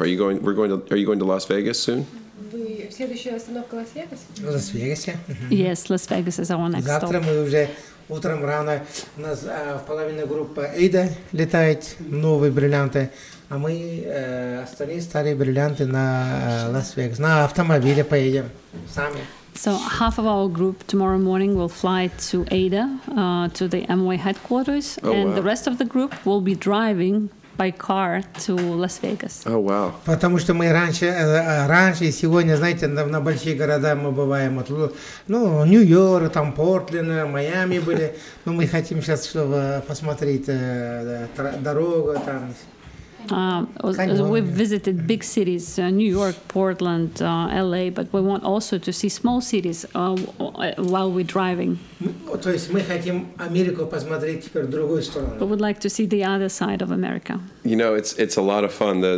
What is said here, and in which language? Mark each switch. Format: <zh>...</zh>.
<en>Are you going, are you going to Las Vegas soon? Las Vegas, yeah. Mm-hmm. Yes, Las Vegas is our next</en> <uk>завтра</uk> <en>stop.</en> <uk>Ми вже утром рано, у нас половина група іде, літають нові брилянти, а ми старі старі брилянти на Las Vegas. На автомобілі поїдемо самі.</uk> <en>So half of our group tomorrow morning will fly to Ada, to the Amway headquarters, and the rest of the group will be driving by car to Las Vegas. Oh wow!</en> <uk>Потому що ми раніше і сьогодні, знаєте, на більші міста ми буваємо. Ну, Нью-Йорк, там Портленд, Майами були. Ну, ми хочемо зараз, щоб побачити дорогу там.</uk> <en>We've visited big cities, New York, Portland, LA, but we want also to see small cities while we're driving. We would like to see the other side of America. You know, it's a lot of fun.</en>